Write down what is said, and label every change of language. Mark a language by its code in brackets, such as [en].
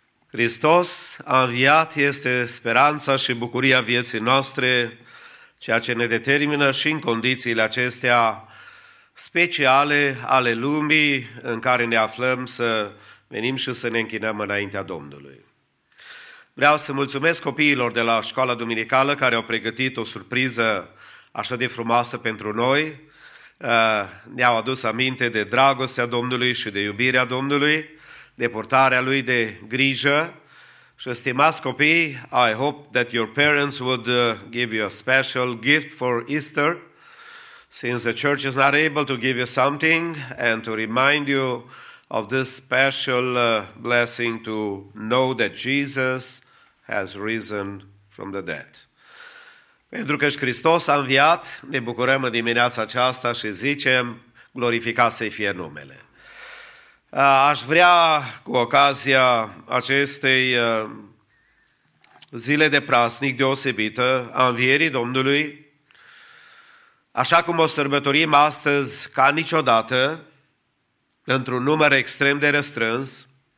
[ro] Hristos a înviat este speranța și bucuria vieții noastre, ceea ce ne determină și în condițiile acestea speciale ale lumii în care ne aflăm să venim și să ne închinăm înaintea Domnului. Vreau să mulțumesc copiilor de la școala duminicală care au pregătit o surpriză așa de frumoasă pentru noi. Ne-au adus aminte de dragostea Domnului și de iubirea Domnului, de purtarea Lui de grijă. Și stimați copii, [en] I hope that your parents would give you a special gift for Easter, since the church is not able to give you something and to remind you of this special blessing to know that Jesus has risen from the dead. [ro] Pentru că și Hristos a înviat, ne bucurăm în dimineața aceasta și zicem, glorificat să-i fie numele. Aș vrea, cu ocazia acestei zile de praznic deosebită, a învierii Domnului, așa cum o sărbătorim astăzi ca niciodată, într-un număr extrem de restrâns,